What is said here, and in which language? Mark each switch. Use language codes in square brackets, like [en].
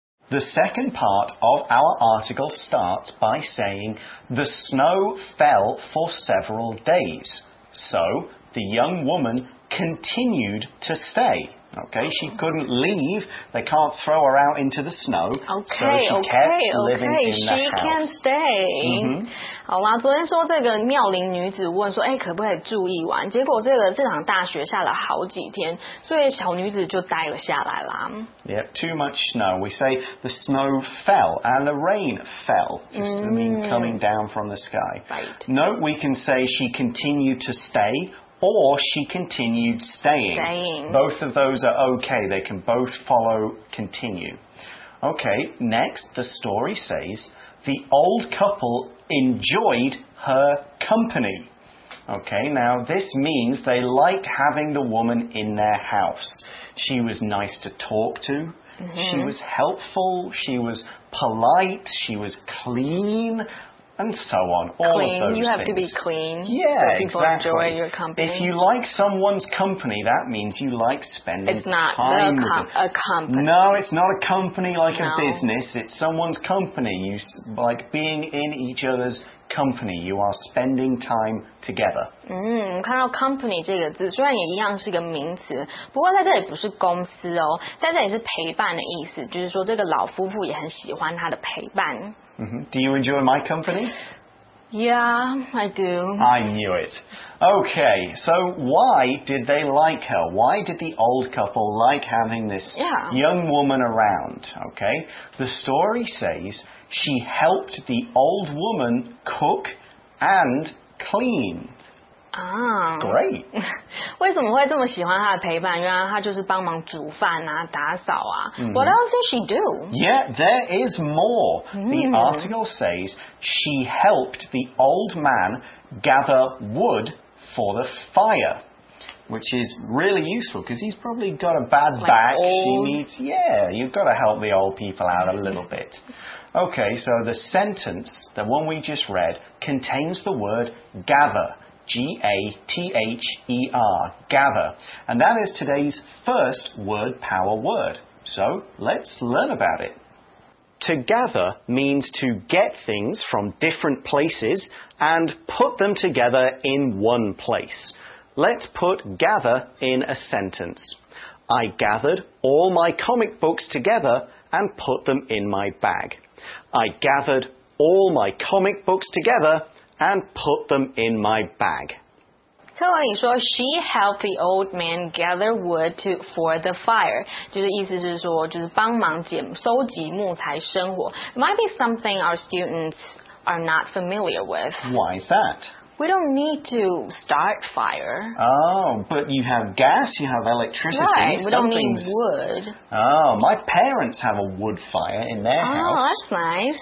[en] The second part of our article starts by saying the snow fell for several days. So the young woman continued to stay. Okay, she couldn't leave. They can't throw her out into the snow. Okay, so she kept living in the house. She can stay. Mm-hmm. [zh] 好啦，昨天说这个妙龄女子问说，哎，可不可以住一晚？结果这场大雪下了好几天，所以小女子就待了下来啦。 [en] Yep, too much snow. We say the snow fell and the rain fell, just to mean coming down from the sky. Right. Note, we can say she continued to stay, or she continued staying. Staying. Both of those are okay. They can both follow continue. Okay, next, the story says, the old couple enjoyed her company. Okay, now this means they liked having the woman in their house. She was nice to talk to. Mm-hmm. She was helpful. She was polite. She was clean. And so on. All of those things. You have to be clean. Yeah, so people exactly. People enjoy your company. If you like someone's company, that means you like spending time with them. It's not a company. No, it's not a company like a business. It's someone's company. You like being in each other's company. You are spending time together. [zh] 看到 company 这个字，虽然也一样是个名词，不过在这里不是公司哦，在这里是陪伴的意思，就是说这个老夫妇也很喜欢他的陪伴。 [en] Do you enjoy my company? Yeah, I do. I knew it. Okay, so why did they like her? Why did the old couple like having this young woman around? Okay, the story says she helped the old woman cook and clean. Great. [zh] 为什么会这么喜欢她的陪伴？原来她就是帮忙煮饭啊，打扫啊。 [en] Mm-hmm. What else does she do? Yeah, there is more. The article says she helped the old man gather wood for the fire, which is really useful because he's probably got a bad back. You've got to help the old people out a little bit. Okay, so the sentence, the one we just read, contains the word gather. G-A-T-H-E-R, gather. And that is today's first word power word. So, let's learn about it. To gather means to get things from different places and put them together in one place. Let's put gather in a sentence. I gathered all my comic books together and put them in my bag. I gathered all my comic books together and put them in my bag. [zh] 特文里说 [en] she helped the old man gather wood for the fire. [zh] 就是意思是说就是帮忙捡收集木材生火。 [en] It might be something our students are not familiar with. Why is that? We don't need to start fire. Oh, but you have gas, you have electricity. Right, we don't need wood. Oh, my parents have a wood fire in their house. Oh, that's nice.